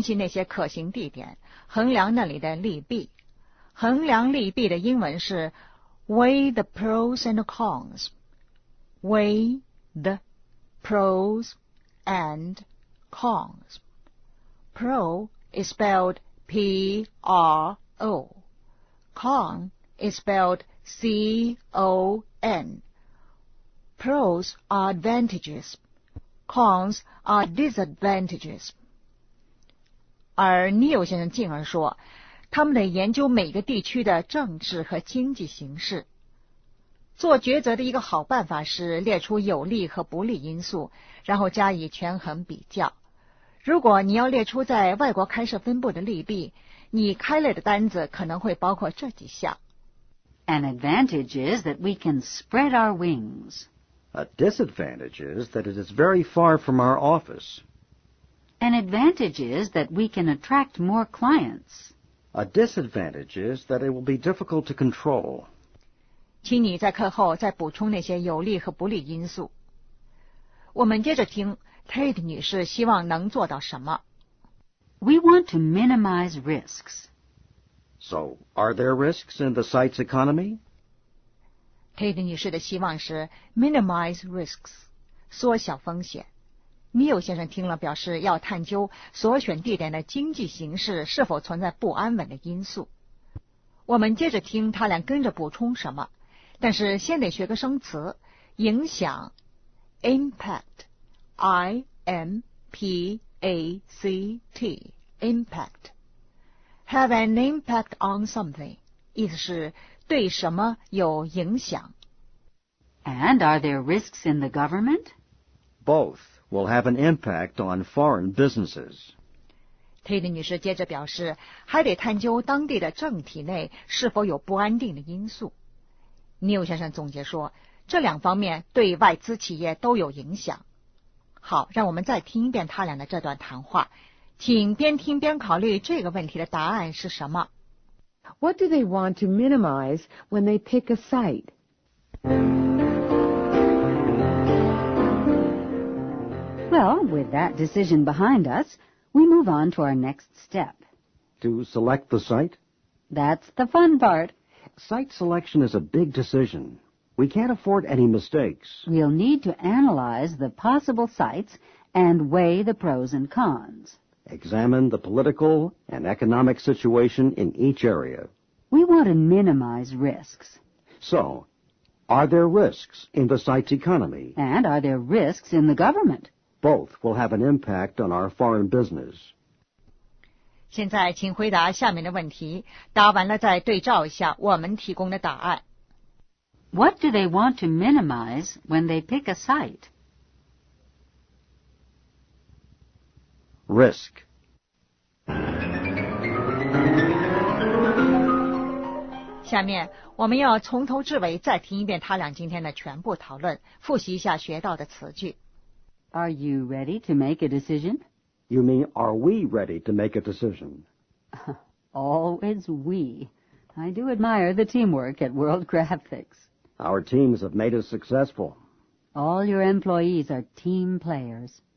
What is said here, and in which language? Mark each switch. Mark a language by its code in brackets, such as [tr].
[zh] Tate女士认为他们得分析那些可行地点,衡量那里的利弊。衡量利弊的英文是 [en] weigh the pros and cons. Weigh the pros and cons. Pro is spelled P-R-O. Con is spelled C-O-N. Pros are advantages. Cons are disadvantages. [zh] 而Neil先生进而说, 他们得研究每个地区的政治和经济形势。做抉择的一个好办法是列出有利和不利因素,然后加以权衡比较。如果你要列出在外国开设分部的利弊,你开了的单子可能会包括这几项。 [en] An advantage is that we can spread our wings. A disadvantage is that it is very far from our office. An advantage is that we can attract more clients. A disadvantage is that it will be difficult to control. [zh] 请你在课后再补充那些有利和不利因素。我们接着听Tate女士希望能做到什么? [en] We want to minimize risks. So, are there risks in the site's economy? [zh] Tate女士的希望是 [en] minimize risks, [zh] 缩小风险。 Neil先生听了表示要探究所选地点的经济形势是否存在不安稳的因素。我们接着听他俩跟着补充什么,但是先得学个生词,影响,impact, I-M-P-A-C-T, impact. [en] Have an impact on something, [zh] 意思是对什么有影响。 [en] And are there risks in the government? Both will have an impact on foreign businesses. [zh] Tate 女士接着表示，还得探究当地的政体内是否有不安定的因素。 Neil 先生总结说，这两方面对外资企业都有影响。好，让我们再听一遍他俩的这段谈话，请边听边考虑这个问题的答案是什么。 [en] What do they want to minimize when they pick a site? Well, with that decision behind us, we move on to our next step. To select the site? That's the fun part. Site selection is a big decision. We can't afford any mistakes. We'll need to analyze the possible sites and weigh the pros and cons. Examine the political and economic situation in each area. We want to minimize risks. So, are there risks in the site's economy? And are there risks in the government? Both will have an impact on our foreign business. [zh] 现在请回答下面的问题，答完了再对照一下我们提供的答案。 [en] What do they want to minimize when they pick a site? Risk. [zh] 下面我们要从头至尾再听一遍他俩今天的全部讨论，复习一下学到的词句。 [en] Are you ready to make a decision? You mean, are we ready to make a decision? Always we. I do admire the teamwork at World Graphics. Our teams have made us successful. All your employees are team players.